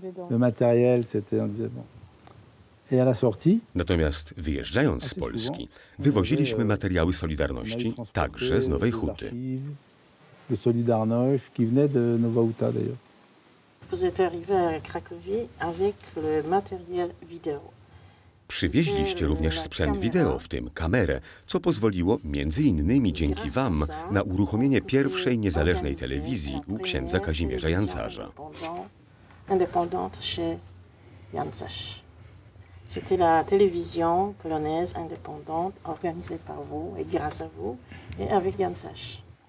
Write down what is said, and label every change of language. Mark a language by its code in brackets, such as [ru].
[fr] le matériel, c'était, on disait bon. Et à la sortie. [pl] Natomiast wyjeżdżając z Polski, wywoziliśmy materiały Solidarności także z Nowej Huty. [fr] De Solidarność, qui venait de Nowa Huta d'ailleurs. Vous êtes arrivé à Cracovie avec le matériel vidéo. [pl] Przywieźliście również sprzęt wideo, w tym kamerę, co pozwoliło między innymi dzięki wam na uruchomienie pierwszej niezależnej telewizji u księdza Kazimierza Jancarza. [fr] Indépendante chez Jancarz. C'était la télévision polonaise indépendante organisée par vous et grâce à vous et avec Jancarz.